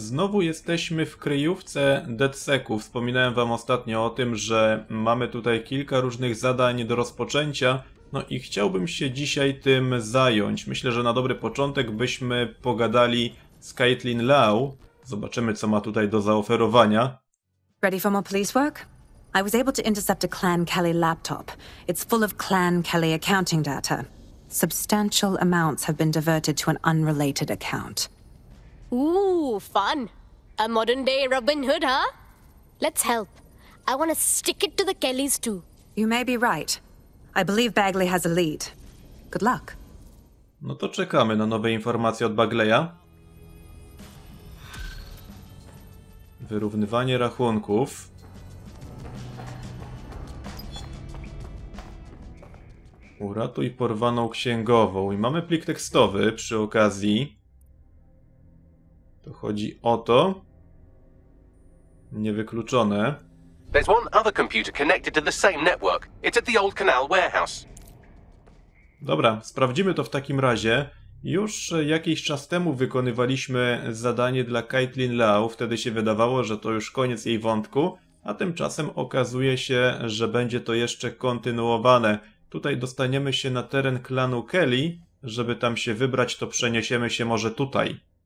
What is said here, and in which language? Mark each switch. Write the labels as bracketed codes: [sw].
[pl] Znowu jesteśmy w kryjówce DedSecu. Wspominałem Wam ostatnio o tym, że mamy tutaj kilka różnych zadań do rozpoczęcia. No i chciałbym się dzisiaj tym zająć. Myślę, że na dobry początek byśmy pogadali z Caitlin Lau. Zobaczymy, co ma tutaj do zaoferowania. [en] Ready for more police work? I was able to intercept a Clan Kelly laptop. It's full of Clan Kelly accounting data. Substantial amounts have been diverted to an unrelated account. Ooh, fun. A modern day Robin Hood, huh? Let's help. I want to stick it to the Kellys too. You may be right. I believe Bagley has a lead. Good luck. [pl] No to czekamy na nowe informacje od Bagleya. Wyrównywanie rachunków. Uratuj porwaną księgową. I mamy plik tekstowy przy okazji. To chodzi o to. Niewykluczone. [en] There's one other computer connected to the same network. It's at the old canal warehouse. [pl] Dobra, sprawdzimy to w takim razie. Już jakiś czas temu wykonywaliśmy zadanie dla Caitlin Lau. Wtedy się wydawało, że to już koniec jej wątku. A tymczasem okazuje się, że będzie to jeszcze kontynuowane. Tutaj dostaniemy się na teren klanu Kelly. Żeby tam się wybrać, to przeniesiemy się może tutaj.